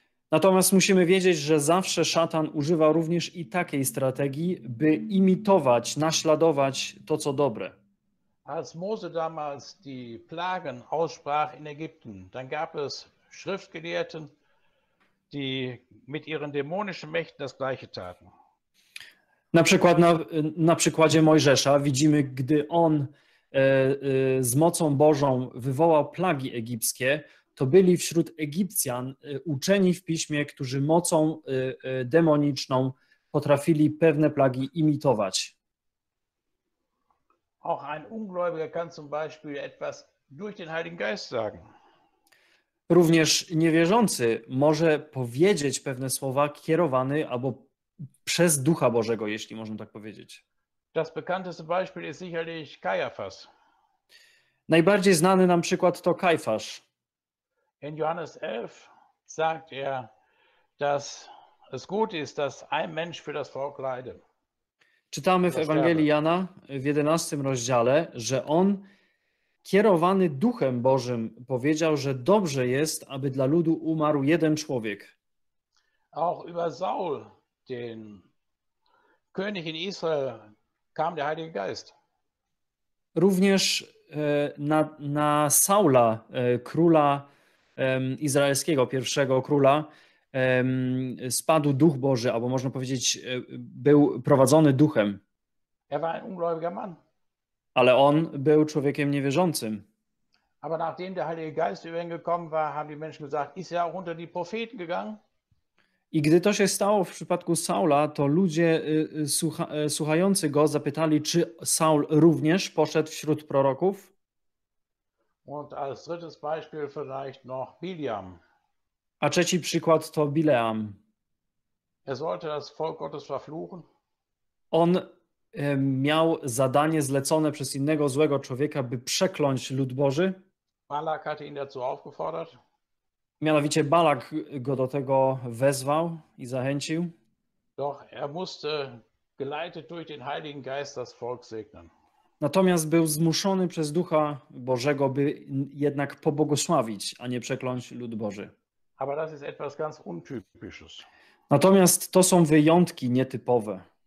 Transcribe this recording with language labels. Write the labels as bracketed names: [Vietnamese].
[Polish] Natomiast musimy wiedzieć, że zawsze szatan używa również i takiej strategii, by imitować, naśladować to, co dobre. [German] Als Mose damals die Plagen aussprach in Ägypten, dann gab es Schriftgelehrten, die mit ihren dämonischen Mächten das gleiche taten. [Polish] Na przykład na przykładzie Mojżesza widzimy, gdy on z mocą Bożą wywołał plagi egipskie, to byli wśród Egipcjan uczeni w piśmie, którzy mocą demoniczną potrafili pewne plagi imitować. [German] Auch ein Ungläubiger kann zum Beispiel etwas durch den Heiligen Geist sagen. [Polish] Również niewierzący może powiedzieć pewne słowa kierowane albo przez Ducha Bożego, jeśli można tak powiedzieć. [German] Das bekannteste Beispiel ist sicherlich Kajafas. [Polish] Najbardziej znany nam przykład to Kajfasz. [German] In Johannes 11 sagt er, dass es gut ist, dass ein Mensch für das Volk leide. [Polish] Czytamy w Ewangelii Jana w 11 rozdziale, że on kierowany Duchem Bożym powiedział, że dobrze jest, aby dla ludu umarł jeden człowiek. [German] Auch über Saul, den König in Israel, kam der Heilige Geist. [Polish] Również na Saula, króla izraelskiego, pierwszego króla, spadł Duch Boży, albo można powiedzieć, był prowadzony Duchem. [German] Er war ein ungläubiger Mann. [Polish] Ale on był człowiekiem niewierzącym. [German] Aber nachdem der Heilige Geist über ihn gekommen war, haben die Menschen gesagt, ist er auch unter die Propheten gegangen? [Polish] I gdy to się stało w przypadku Saula, to ludzie słuchający go zapytali, czy Saul również poszedł wśród proroków? [German] Und als drittes Beispiel vielleicht noch Biliam. [Polish] A trzeci przykład to Bileam. [German] Er sollte das Volk Gottes verfluchen. [Polish] On miał zadanie zlecone przez innego złego człowieka, by przekląć lud Boży. [German] Balak hatte ihn dazu aufgefordert. [Polish] Mianowicie Balak go do tego wezwał i zachęcił. [German] Doch er musste geleitet durch den Heiligen Geist das Volk segnen. [Polish] Natomiast był zmuszony przez Ducha Bożego, by jednak pobłogosławić, a nie przekląć lud Boży. [German] Aber das ist etwas ganz Untypisches. [Polish] Natomiast to są wyjątki nietypowe.